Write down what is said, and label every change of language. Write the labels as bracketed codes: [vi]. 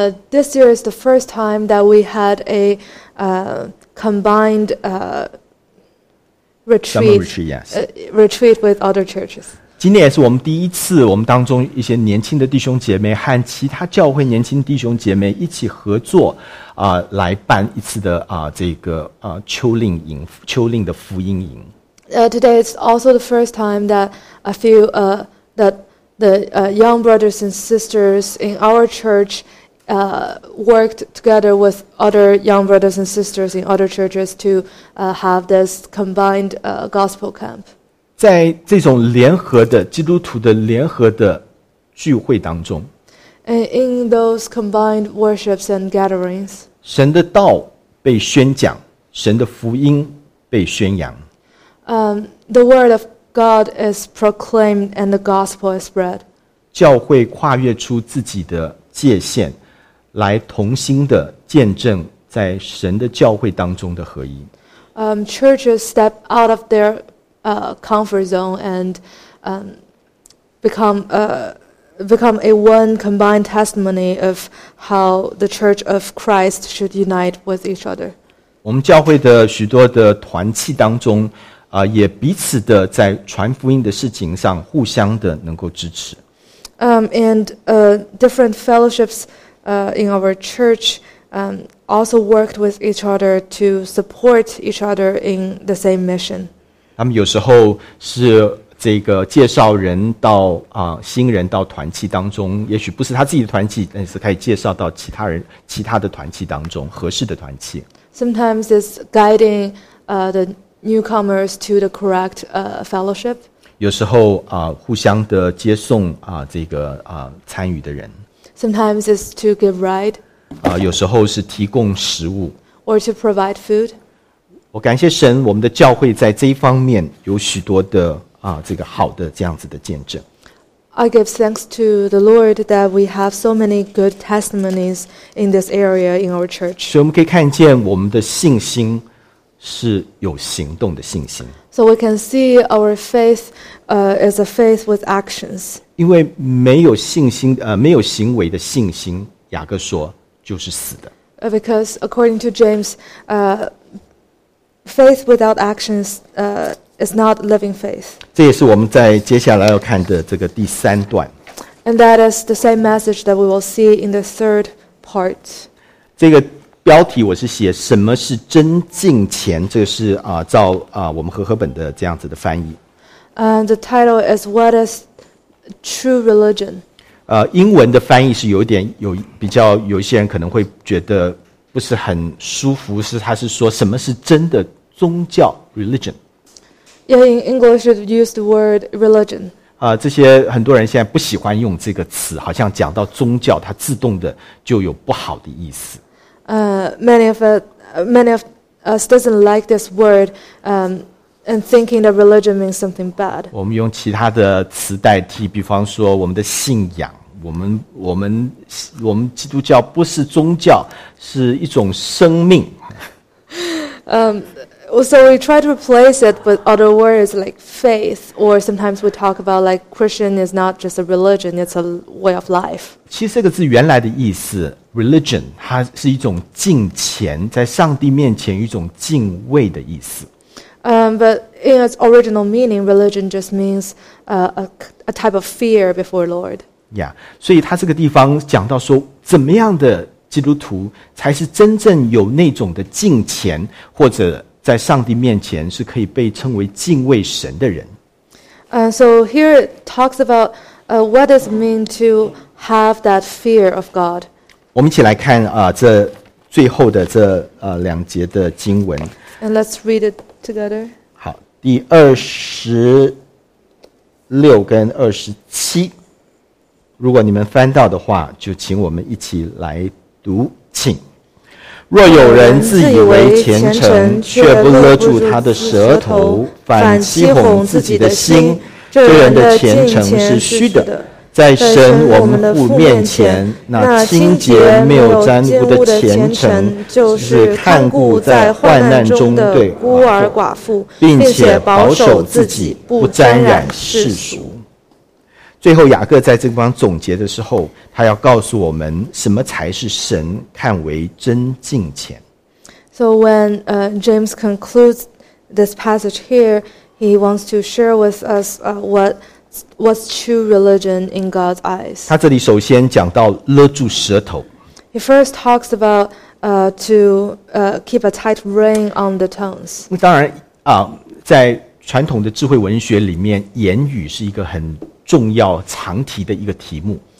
[en] This year is the first time that we had a combined retreat. Summer retreat, yes. Retreat with other churches. [zh] 今年也是我们第一次，我们当中一些年轻的弟兄姐妹和其他教会年轻弟兄姐妹一起合作，来办一次的这个秋令的福音营。 [en] Today is also the first time that a few young brothers and sisters in our church worked together with other young brothers and sisters in other churches to have this combined gospel camp. [zh] 在这种联合的基督徒的联合的聚会当中 [en] ，in those combined worships and gatherings, [zh] 神的道被宣讲，神的福音被宣扬。 [en] The word of God is proclaimed and the gospel is spread. [zh] 教会跨越出自己的界限。来同心的见证在神的教会当中的合一。 [en] Churches step out of their comfort zone and become a one combined testimony of how the Church of Christ should unite with each other. [zh] 我们教会的许多的团契当中，也彼此的在传福音的事情上互相的能够支持。 [en] Different fellowships. In our church, also worked with each other to support each other in the same mission. [zh] 他们有时候是这个介绍人到新人到团契当中，也许不是他自己的团契，但是可以介绍到其他人其他的团契当中合适的团契。 [en] Sometimes it's guiding the newcomers to the correct fellowship. [zh] 有时候互相的接送这个参与的人。 [en] Sometimes it's to give ride. [zh] 有时候是提供食物。 [en] Or to provide food. [zh] 我感谢神，我们的教会在这一方面有许多的这个好的这样子的见证。 [en] I give thanks to the Lord that we have so many good testimonies in this area in our church. [zh] 所以我们可以看见我们的信心是有行动的信心。 [en] So we can see our faith is a faith with actions. [zh] 因为没有信心没有行为的信心，雅各说就是死的。 [en] Because according to James, faith without actions is not living faith. [zh] 这也是我们在接下来要看的这个第三段。 [en] And that is the same message that we will see in the third part. [zh] 这个标题我是写什么是真敬虔，这个是照我们和合本的这样子的翻译。 [en] The title is What is True Religion? [zh] 英文的翻译是有点有比较有一些人可能会觉得不是很舒服，是他是说什么是真的宗教 religion? [en] Yeah, in English it used the word religion. [zh] 这些很多人现在不喜欢用这个词，好像讲到宗教它自动的就有不好的意思。 [en] Many of us doesn't like this word, and thinking that religion means something bad. [zh] 我们用其他的词代替，比方说我们的信仰，我们基督教不是宗教，是一种生命。 [en] So we try to replace it with other words like faith, or sometimes we talk about like Christian is not just a religion, it's a way of life. [zh] 其实这个字原来的意思 ,religion, 它是一种敬虔，在上帝面前一种敬畏的意思。 [en] But in its original meaning, religion just means a type of fear before Lord. [zh] Yeah, 所以它这个地方讲到说怎么样的基督徒才是真正有那种的敬虔，或者在上帝面前是可以被称为敬畏神的人。 [en] So here it talks about what does it mean to have that fear of God? [zh] 我们一起来看这最后的这两节的经文。 [en] And let's read it together. [zh] 好，第二十六跟二十七，如果你们翻到的话，就请我们一起来读，请。若有人自以为虔诚，却不勒住他的舌头，反欺哄自己的心，这人的虔诚是虚的。在神我们父面前，那清洁没有沾污的虔诚，就是看顾在患难中的孤儿寡妇，并且保守自己不沾染世俗。最后雅各在这方总结的时候，他要告诉我们什么才是神看为真敬虔。 [en] So when James concludes this passage here, he wants to share with us what's true religion in God's eyes. [zh] 他这里首先讲到勒住舌头。 [en] He first talks about keep a tight rein on the tongues. [zh] 当然在传统的智慧文学里面，言语是一个很重要常提的一个题目。